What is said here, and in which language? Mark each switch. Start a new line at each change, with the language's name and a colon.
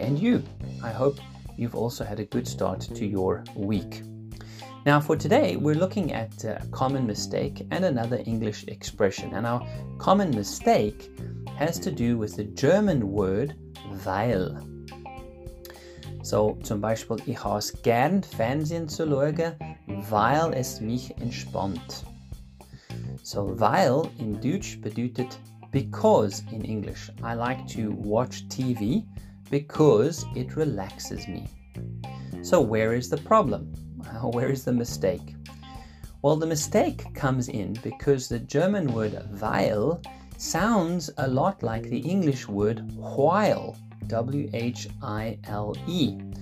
English: And you, I hope you've also had a good start to your week. Now for today, we're looking at a common mistake and another English expression. And our common mistake has to do with the German word Weil.
German: So zum Beispiel, ich has gern Fernsehen zu schauen, weil es mich entspannt. So, weil in Deutsch bedeutet because
English: in English. I like to watch TV because it relaxes me. So, where is the problem? Where is the mistake? Well, the mistake comes in because the German word weil sounds a lot like the English word while, W-H-I-L-E.